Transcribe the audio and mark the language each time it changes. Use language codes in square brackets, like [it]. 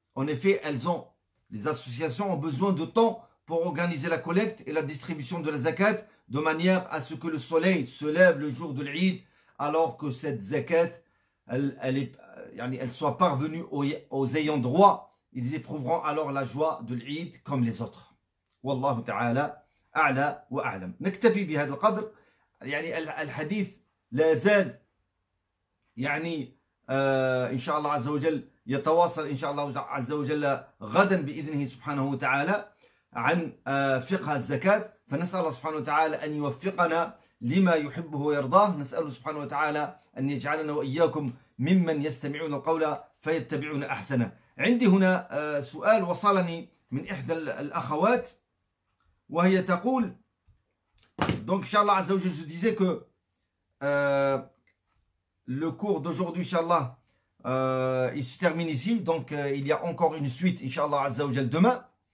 [fr] En effet, les associations ont besoin de temps pour organiser la collecte et la distribution de la zakat de manière à ce que le soleil se lève le jour de l'Eid alors que cette zakat, elle soit parvenue aux ayants droit. Ils éprouveront alors la joie de l'Eid comme les autres. [ar] Wallahu ta'ala, a'la wa a'lam. Naktafi bi hadha al-qadr, yani al-hadith la zal, yani, inshallah azza wa jal, يتواصل إن شاء الله عز وجل غدا بإذنه سبحانه وتعالى عن فقه الزكاة فنسأل الله سبحانه وتعالى أن يوفقنا لما يحبه ويرضاه نسأله سبحانه وتعالى أن يجعلنا وإياكم ممن يستمعون القول فيتبعون أحسنه. عندي هنا سؤال وصلني من إحدى الأخوات وهي تقول [fr] donc إن شاء الله عز وجل je disais que le cours d'aujourd'hui إن شاء الله il se termine ici, donc il y a encore une suite, Inch'Allah Azza wa Jal, demain.